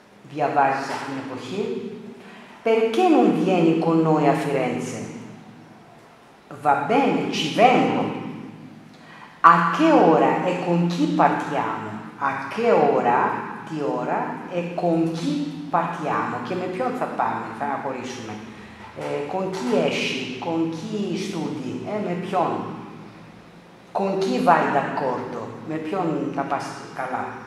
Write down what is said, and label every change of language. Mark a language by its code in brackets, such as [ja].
[el] Διαβάζεις αυτήν την εποχή. [it] Perché non vieni con noi a Firenze? Va bene, ci vengo. A che ora e con chi partiamo? A che ora, [el] τι ώρα, [it] e con chi partiamo? [el] Και με ποιον θα πάμε, θα αναχωρήσουμε. [it] Con chi esci, con chi studi, [el] με ποιον. [it] Con chi vai d'accordo, [el] με ποιον θα πας καλά.